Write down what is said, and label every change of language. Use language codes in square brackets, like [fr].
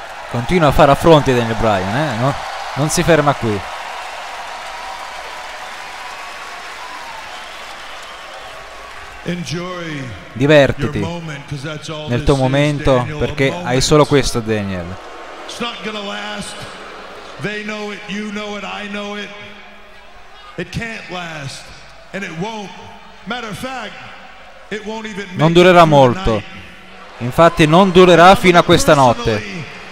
[it] Continua a fare affronti Daniel Bryan, no? Non si ferma qui. [en] Enjoy. [it] Divertiti nel tuo momento, perché hai solo questo, Daniel. [en] It's not gonna last. They know it, you know it, I know it. It can't last and it won't. Matter of fact, it won't even. [it] Non durerà molto. Infatti non durerà fino a questa notte.